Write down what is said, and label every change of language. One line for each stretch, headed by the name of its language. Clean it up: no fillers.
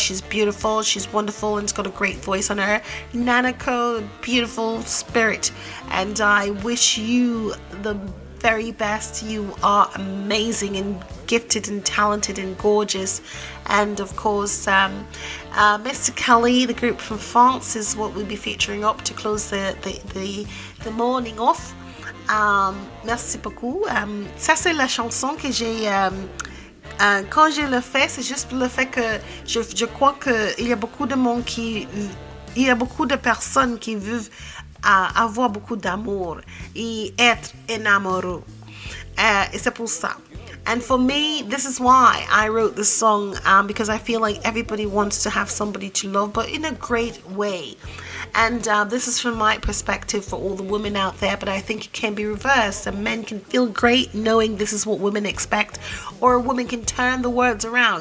English: She's beautiful, she's wonderful, and she's got a great voice on her. Nanako, beautiful spirit, and I wish you the very best. You are amazing and gifted and talented and gorgeous. And of course, Mr. Kelly, the group from France, is what we'll be featuring up to close the morning off.
French: Merci beaucoup. Ça c'est la chanson que j'ai quand je le fais, c'est juste le fait que je crois que il y a beaucoup de monde qui il y a beaucoup de personnes qui veulent avoir beaucoup d'amour et être enamoureux. Et c'est pour ça.
English: And for me, this is why I wrote this song, because I feel like everybody wants to have somebody to love, but in a great way. And this is from my perspective for all the women out there, but I think it can be reversed. And men can feel great knowing this is what women expect, or a woman can turn the words around.